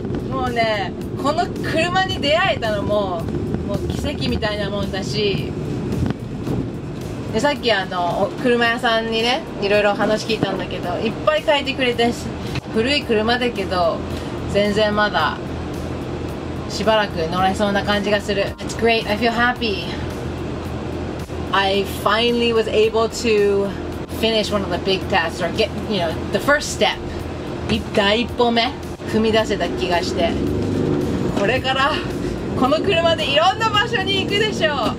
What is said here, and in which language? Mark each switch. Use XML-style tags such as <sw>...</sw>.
<ja>もうねこの車に出会えたのももう奇跡みたいなもんだし。でさっきあの車屋さんにねいろいろ話聞いたんだけどいっぱい書いてくれて古い車だけど全然まだ。しばらく乗れそうな感じがする。</ja> <en>It's great, I feel happy. I finally was able to finish one of the big tasks or get, you know, the first step.</en> <ja>第一歩目踏み出せた気がしてこれからこの車でいろんな場所に行くでしょう。</ja>